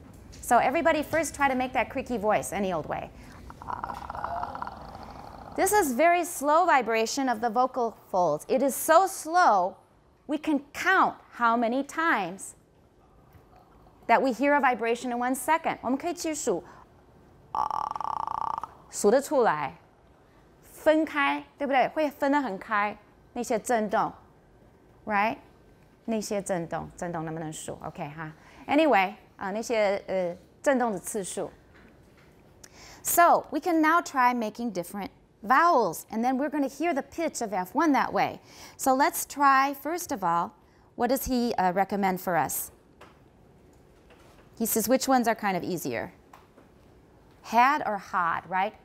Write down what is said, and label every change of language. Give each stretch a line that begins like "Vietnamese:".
English: So everybody first try to make that creaky voice any old way. This is very slow vibration of the vocal folds. It is so slow, we can count how many times that we hear a vibration in 1 second.
Chinese: 我们可以去数，数得出来，分开，对不对？会分得很开，那些震动 ，right？那些震动，震动能不能数 ？OK 哈。 Anyway， 那些震动的次数。
English: So we can now try making different vowels, and then we're going to hear the pitch of F1 that way. So let's try, first of all, what does he recommend for us? He says which ones are kind of easier? Had or hod, right?